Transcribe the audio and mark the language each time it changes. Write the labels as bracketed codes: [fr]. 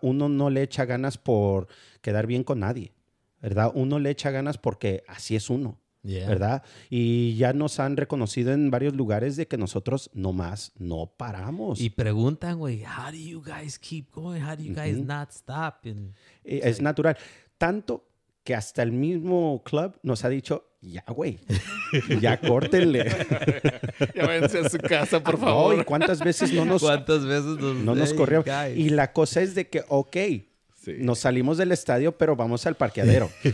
[es] Uno no le echa ganas por quedar bien con nadie, ¿verdad? Uno le echa ganas porque así es uno, yeah, ¿verdad? Y ya nos han reconocido en varios lugares de que nosotros nomás no paramos. Y preguntan, güey, [en] how do you guys keep going? How do you guys, mm-hmm, not stop? And [es] es natural. Tanto que hasta el mismo club nos ha dicho, ya, güey, ya córtenle. Ya váyanse a su casa, por favor. No, ¿y cuántas veces no nos... ¿Cuántas veces nos... No nos corrió? Guys. Y la cosa es de que, ok, sí, nos salimos del estadio, pero vamos al parqueadero.